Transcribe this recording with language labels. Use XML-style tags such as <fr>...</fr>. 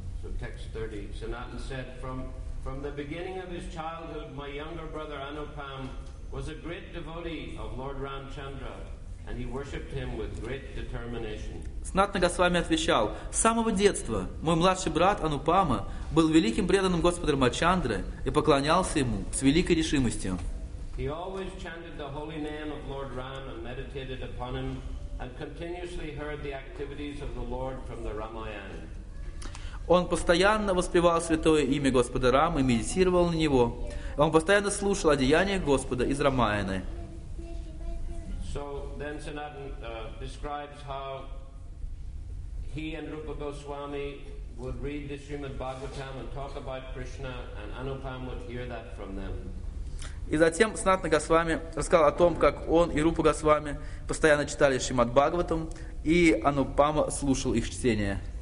<en>So text 30. Sanatan said, from the beginning of his childhood, my younger brother Anupama was a great devotee of Lord Ramchandra. And he worshipped him with great determination.</en> <ru>Снатна Госвами отвечал: «С самого детства мой младший брат Анупама был великим преданным Господа Рамачандры и поклонялся ему с великой решимостью».</ru> <en>He always chanted the holy name of Lord Ram and meditated upon him and continuously heard the activities of the Lord from the Ramayana.</en> <ru>Он постоянно воспевал святое имя Господа Рамы и медитировал на него. Он постоянно слушал о деяниях Господа из Рамаяны.</ru> <en>So then Sanatan describes how he and Rupa Goswami would read the Srimad Bhagavatam and talk about Krishna, and Anupam would hear that from them.</en> <ru>И затем Снатна Госвами рассказал о том, как он и Рупа Госвами постоянно читали Шримад Бхагаватам, и Анупама слушал их чтение.</ru>